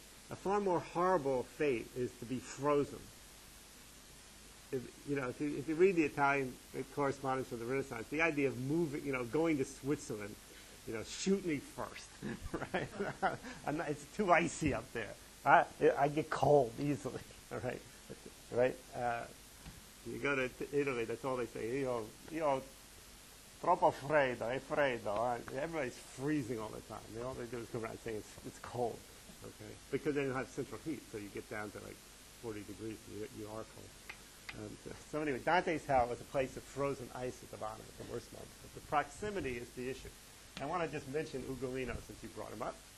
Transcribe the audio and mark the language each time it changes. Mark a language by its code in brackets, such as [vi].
[en] A far more horrible fate is to be frozen. If you read the Italian correspondence from the Renaissance, the idea of moving, you know, going to Switzerland, you know, shoot me first, right? It's too icy up there. I get cold easily, right? Right? You go to Italy, that's all they say. You know, [it] troppo freddo, è freddo. [en] Everybody's freezing all the time. All they do is come around and say it's cold, okay? Because they don't have central heat, so you get down to like 40 degrees and you are cold. So anyway, Dante's hell was a place of frozen ice at the bottom at the worst moment. But the proximity is the issue. I want to just mention Ugolino since you brought him up.